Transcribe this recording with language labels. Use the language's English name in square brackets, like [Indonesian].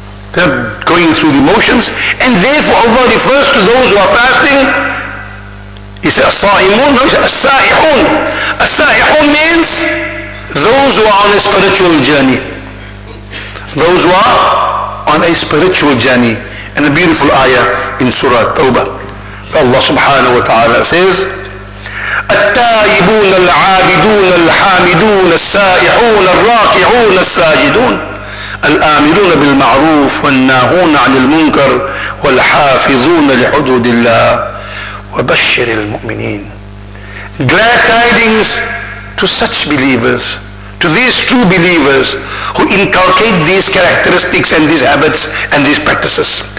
[English] They're going through the motions, and therefore Allah refers to those who are fasting. He said as-sa'imun, no, he said as-sa'ihun. As-sa'ihun means those who are on a spiritual journey. Those who are on a spiritual journey. And a beautiful ayah in Surah Tawbah. Allah subhanahu wa ta'ala says, [Arabic] التائبون العابدون الحامدون السائحون الراكعون الساجدون الآمرون بالمعروف والناهون عن المنكر والحافظون لحدود الله وبشر المؤمنين. [English] Glad tidings to such believers, to these true believers who inculcate these characteristics and these habits and these practices.